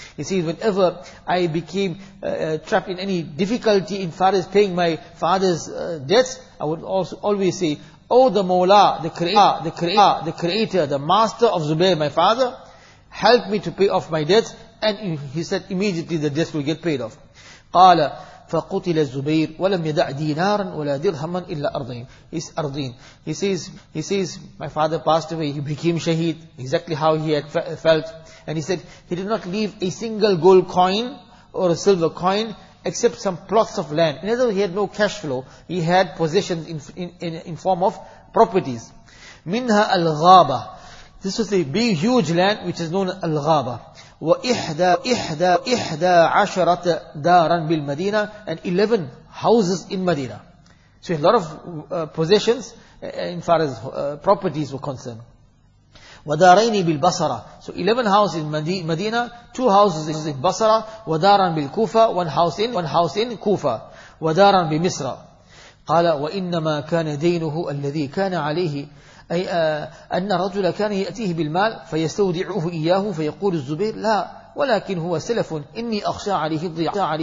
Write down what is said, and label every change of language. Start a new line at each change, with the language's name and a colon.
English: He says, whenever I became trapped in any difficulty in far as paying my father's debts, I would also always say, oh, the Mawla, the creator, the master of Zubayr, my father, help me to pay off my debts. And he said, immediately the debts will get paid off.
Arabic: Qala فقتل الزبير ولم يدع دينارا ولا درهما إلا أرضين.
English: He says, my father passed away, he became shaheed, exactly how he had felt. And he said, he did not leave a single gold coin or a silver coin except some plots of land. In other words, he had no cash flow, he had possessions in form of properties.
Arabic: منها الغابة.
English: This was a big, huge land which is known as الغابة.
Arabic: وإحدى عشرة دارا بالمدينة,
English: and 11 houses in Medina. So a lot of possessions in far as properties were concerned.
Arabic: ودارين بالبصرة,
English: so 11 houses in Medina, 2 houses in Basra,
Arabic: ودارا بالكوفة,
English: one house in Kufa,
Arabic: ودارا بمصر. قال وإنما كان دينه الذي كان عليه أي أن رجلا كان يأتيه بالمال فيستودعه إياه فيقول الزبير لا ولكن هو سلف إني أخشى عليه الضيعة.